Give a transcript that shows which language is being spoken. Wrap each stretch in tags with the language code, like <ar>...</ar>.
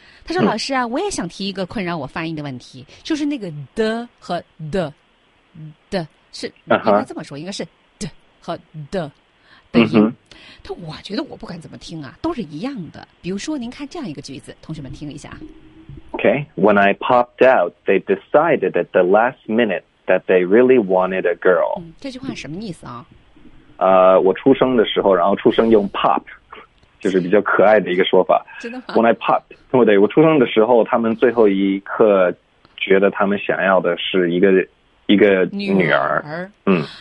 <zh>他说，老师啊，我也想提一个困扰我发音的问题，就是那个的和的是应该这么说，应该是和的音。但我觉得我不管怎么听啊都是一样的。比如说您看这样一个句子，同学们听一下。</zh> <en>OK, when I popped out, they decided at the last minute that that they really wanted a girl.</en> <zh>这句话什么意思啊？我出生的时候，然后出生用 pop， 就是比较可爱的一个说法。真的吗？</zh> <en>When I popped，</en> <zh>对，我出生的时候，他们最后一刻觉得他们想要的是一个女儿。嗯，</zh>